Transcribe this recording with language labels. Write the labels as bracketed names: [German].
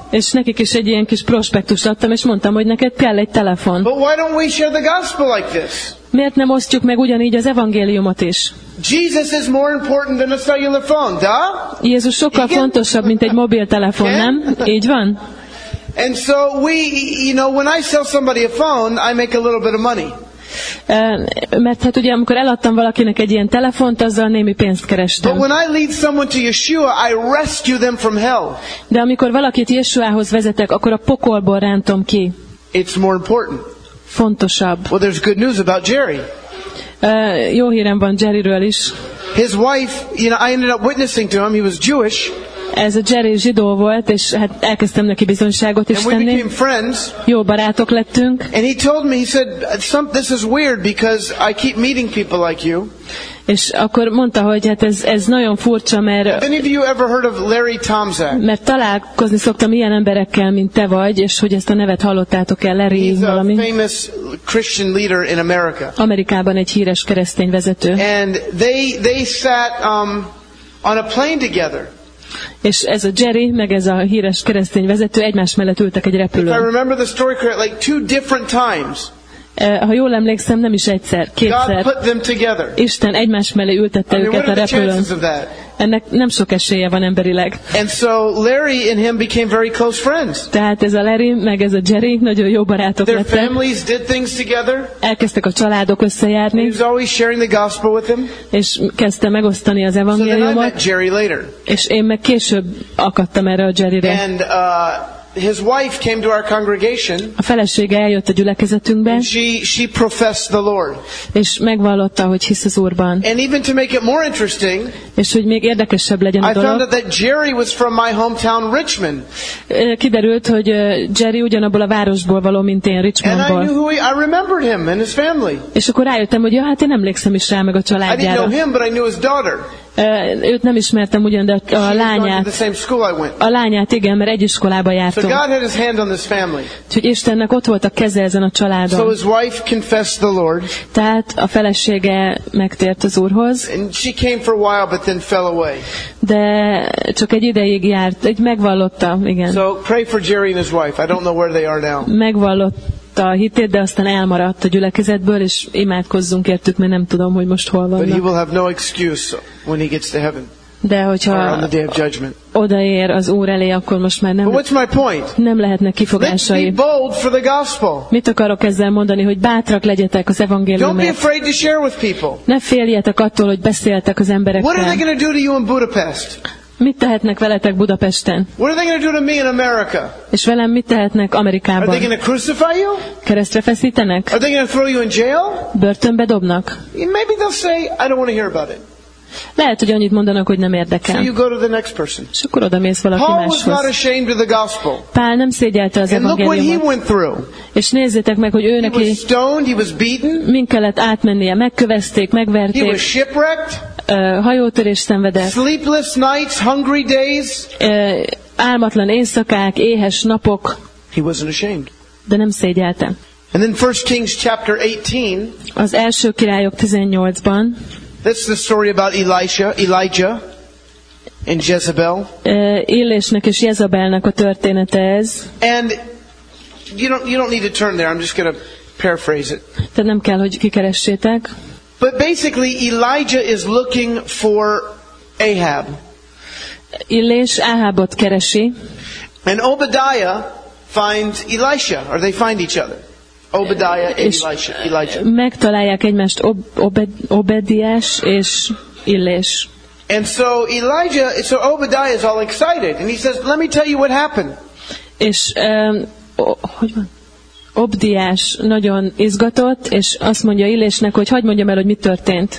[Hungarian] És nekik is egy ilyen kis prospektust adtam, és mondtam, hogy neked kell egy telefon. [English] But why don't we share the gospel like this? [Hungarian] Miért nem osztjuk meg ugyanígy az evangéliumot is? [English] Jesus is more important than a cellular phone, da? [Hungarian] Jézus sokkal fontosabb, mint egy mobiltelefon, nem? Így van. [English] And so we, you know, when I sell somebody a phone, I make a little bit of money. [Hungarian] Mert hát ugye, amikor eladtam valakinek egy ilyen telefont, azzal némi pénzt kerestem. [English] But when I lead someone to Yeshua, I rescue them from hell. [Hungarian] De amikor valakit Yeshuához vezetek, akkor a pokolból rántom ki. [English] It's more important. [Hungarian] Fontosabb. [English] Well, there's good news about Jerry. [Hungarian] Jó hírem van Jerryről is. [English] His wife, you know, I ended up witnessing to him, he was Jewish. [Hungarian] Ez a Jerry zsidó volt, és hát elkezdtem neki bizonyságot is tenni. [English] And we became friends. [Hungarian] Jó barátok lettünk. [English] And he told me, he said, this is weird because I keep meeting people like you. [Hungarian] És akkor mondta, hogy hát ez nagyon furcsa, mert [English] any of you ever heard of Larry Tomczak? [Hungarian] Mert találkozni szoktam ilyen emberekkel, mint te vagy, és hogy ezt a nevet hallottátok-e, Larry valami. [English] He's a famous Christian leader in America. [Hungarian] Amerikában egy híres keresztény vezető. [English] And they sat on a plane together. [Hungarian] És ez a Jerry, meg ez a híres keresztény vezető egymás mellett ültek egy repülőn. [English] If I remember the story correctly, like two different times. [Hungarian] Ha jól emlékszem, nem is egyszer, kétszer. [English] God put them together. [Hungarian] Isten egymás mellé ültette őket a repülőn. Ennek nem sok esélye van emberileg. [English] And so Larry and him became very close friends. [Hungarian] Tehát ez a Larry meg ez a Jerry nagyon jó barátok lettek. [English] Their families did things together. [Hungarian] Elkezdtek a családok összejárni. [English] He was always sharing the gospel with him. [Hungarian] És kezdte megosztani az evangéliumot. [English] So then I met Jerry later. [Hungarian] És én meg később akadtam erre a Jerryre. [English] And His wife came to our congregation. [Hungarian] A felesége eljött a gyülekezetünkbe. [English] She professed the Lord. [Hungarian] És megvallotta, hogy hisz az Úrban. [English] And even to make it more interesting. [Hungarian] És hogy még érdekesebb legyen a dolog. [English] I found out that Jerry was from my hometown, Richmond. [Hungarian] Kiderült, hogy Jerry ugyanabból a városból való, mint én, Richmondból. [English] And I knew who I remembered him and his family. [Hungarian] És akkor rájöttem, hogy ja, hát én emlékszem is rá, meg a családjára. [English] I didn't know him, but I knew his daughter. [Hungarian] Őt nem ismertem ugyan, de a lányát. A lányát, igen, mert egy iskolába jártunk. [English] So God had his hand on this family. [Hungarian] Úgyhogy Istennek ott volt a keze ezen a családon. [English] So his wife confessed the Lord. [Hungarian] Tehát a felesége megtért az Úrhoz. [English] And she came for a while, but then fell away. [Hungarian] De csak egy ideig járt, egy megvallotta, igen. [English] So pray for Jerry and his wife. I don't know where they are now. [Hungarian] Megvallott a hitét, de aztán elmaradt a gyülekezetből, és imádkozzunk értük, mert nem tudom, hogy most hol vannak. [English] But he will have no excuse when he gets to heaven. [Hungarian] De hogyha odaér az Úr elé, akkor most már nem lehetnek kifogásai. Mit akarok ezzel mondani, hogy bátrak legyetek az evangéliumért. Ne féljetek attól, hogy beszéltek az emberekkel. [English] What are they going to do to you in Budapest? [Hungarian] Mit tehetnek veletek Budapesten? [English] What are they going to do to me in America? [Hungarian] És velem mit tehetnek Amerikában? [English] Are they going to crucify you? [Hungarian] Keresztre feszítenek? [English] Are they going to throw you in jail? [Hungarian] Börtönbe dobnak? [English] Maybe they'll say, I don't want to hear about it. [Hungarian] Lehet, hogy annyit mondanak, hogy nem érdekel. [English] So you go to the next person. [Hungarian] És akkor oda mész valaki [English] Paul [Hungarian] máshoz. [English] Paul was not ashamed of the gospel. [Hungarian] Pál nem szégyelte az evangéliumot. [English] And look what he went through. [Hungarian] És nézzétek meg, hogy őnek [English] he was stoned, he was beaten. [Hungarian] Min kellett átmennie, megkövezték, megverték. [English] He was shipwrecked. [Hungarian] Hajótörés szenvedett. [English] Sleepless nights, hungry days. [Hungarian] Álmatlan éjszakák, éhes napok. [English] He wasn't ashamed. [Hungarian] De nem szégyelte. [English] And then 1 Kings chapter 18. [Hungarian] Az első királyok 18-ban. [English] This is the story about Elijah and Jezebel. [Hungarian] Illésnek és Jezabelnek a története ez. [English] And you don't need to turn there. I'm just going to paraphrase it. [Hungarian] De nem kell, hogy kikeressétek. [English] But basically Elijah is looking for Ahab. [Hungarian] Illés Ahabot keresi. [English] And Obadiah finds Elisha, or they find each other. Obadiah and Elijah. [Hungarian] Megtalálják egymást Obadiás és Illés. [English] And so Obadiah is all excited and he says, "Let me tell you what happened." [Hungarian] És hogy van? Obdiás nagyon izgatott, és azt mondja Illésnek, hogy hagyd mondjam el, hogy mi történt.